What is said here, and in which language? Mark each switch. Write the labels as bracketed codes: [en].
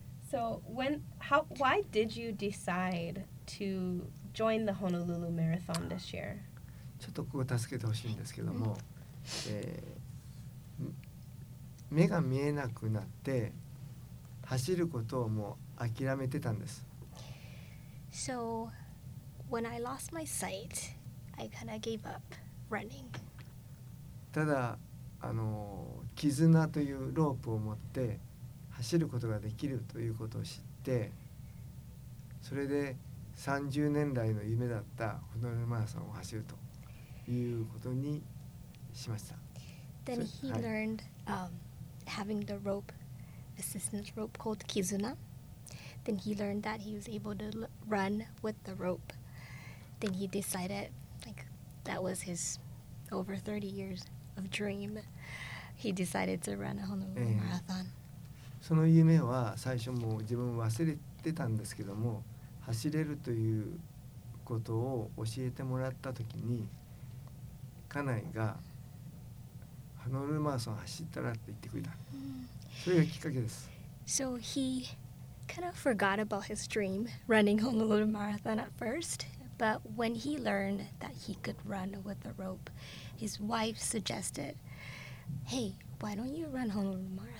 [en] So why did you decide to join the Honolulu Marathon this year? [ja] ちょっとここ助けてほしいんですけども、目が見えなくなって走ることをもう諦めてたんです。 [en] So, when I lost my sight, I kind of gave up running. [ja] ただ、絆というロープを持って走ることができるということを知って、それで30年来の夢だったホノルルマラソンを走るということにしました。 [en] Then he learned having the rope, assistance rope called kizuna. Then he learned that he was able to run with the rope. Then he decided, like, that was his over 30 years of dream. He decided to run a Honolulu marathon. [ja] その夢は最初もう自分忘れてたんですけども、走れるということを教えてもらったときに、家内がハノルマラソン走ったらって言ってくれた。それがきっかけです。 [en] So he kind of forgot about his dream running Honolulu Marathon at first, but when he learned that he could run with a rope, his wife suggested, "Hey, why don't you run Honolulu Marathon?"